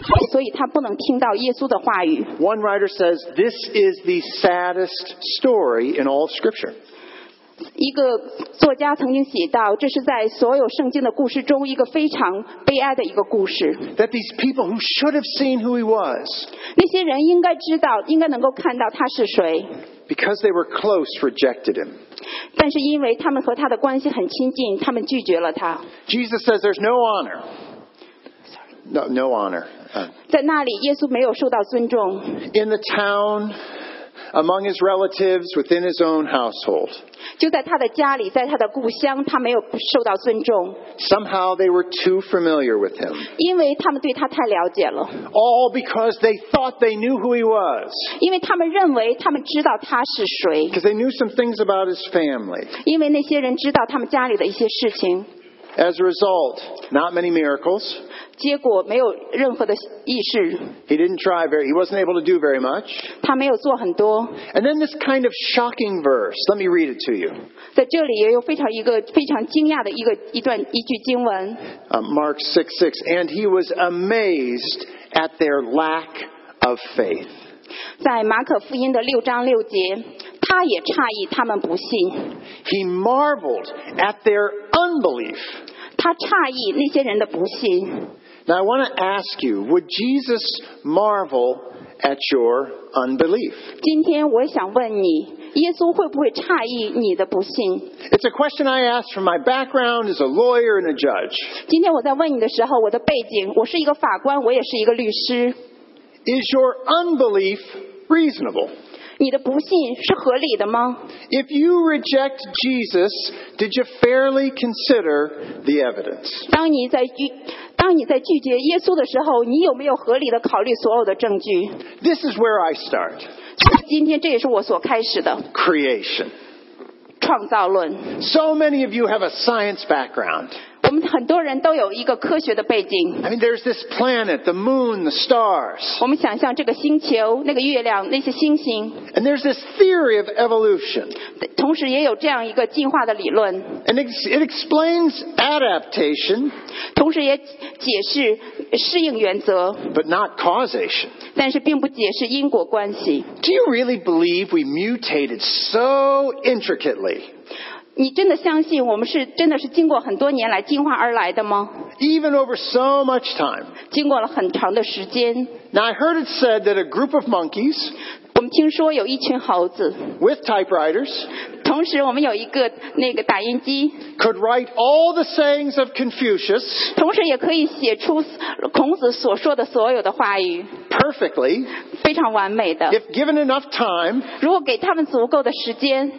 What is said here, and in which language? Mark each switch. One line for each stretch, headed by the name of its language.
Chinese: 所以他不能听到耶稣的话语。
English: One writer says, this is the saddest story in all of Scripture.
Chinese: 一个作家曾经写道, 这是在所有圣经的故事中一个非常悲哀的一个故事。
English: That these people who should have seen who he was,
Chinese: 那些人应该知道, 应该能够看到他是谁。
English: Because they were close, rejected him.
Chinese: 但是因为他们和他的关系很亲近, 他们拒绝了他。
English: Jesus says there's no honor. No honor.
Chinese: 在那里耶稣没有受到尊重。
English: In the town among his relatives within his own household.
Chinese: 就在他的家里，在他的故乡，他没有受到尊重。
English: Somehow they were too familiar with him.
Chinese: 因为他们对他太了解了。
English: All because they thought they knew who he was.
Chinese: 因为他们认为他们知道他是谁。
English: Because they knew some things about his family.
Chinese: 因为那些人知道他们家里的一些事情。
English: As a result, not many miracles.
Chinese: 结果没有任何的异事。
English: He didn't try very, he wasn't able to do very much.
Chinese: 他没有做很多。
English: And then this kind of shocking verse, let me read it to you.
Chinese: 在这里也有非常惊讶的一句经文。
English: Mark 6:6, and he was amazed at their lack of faith.
Chinese: 在马可福音的六章六节。他也诧异他们不信。
English: He marveled at their unbelief.
Chinese: 他诧异那些人的不信。
English: Now I want to ask you, would Jesus marvel at your unbelief?
Chinese: 今天我想问你，耶稣会不会诧异你的不信？
English: It's a question I ask from my background as a lawyer and a judge.
Chinese: 今天我在问你的时候，我的背景，我是一个法官，我也是一个律师。
English: Is your unbelief reasonable?
Chinese: 你的不信是合理的吗？
English: If you reject Jesus, did you fairly consider the evidence?
Chinese: 当你在拒绝耶稣的时候，你有没有合理的考虑所有的证据？
English: This is where I start.
Chinese: 今天这也是我所开始的。
English: Creation.
Chinese: 创造论。
English: So many of you have a science background.
Chinese: 我们很多人都有一个科学的背景。
English: I mean, there's this planet, the moon, the stars.
Chinese: 我们想象这个星球、那个月亮、那些星星。
English: And there's this theory of evolution.
Chinese: 同时也有这样一个进化的理论。
English: And it explains adaptation.
Chinese: 同时也解释适应原则。
English: But not causation.
Chinese: 但是并不解释因果关系。
English: Do you really believe we mutated so intricately?
Chinese: 你真的相信我们是真的是经过很多年来进化而来的吗？
English: Even over so much time.
Chinese: 经过了很长的时间。
English: Now I heard it said that a group of monkeys.
Chinese: 我们听说有一群猴子。
English: With typewriters.
Chinese: 同时我们有一个那个打印机。
English: Could write all the sayings of Confucius.
Chinese: 同时也可以写出孔子所说的所有的话语。
English: Perfectly.
Chinese: 非常完美的。
English: If given enough time.
Chinese: 如果给他们足够的时间。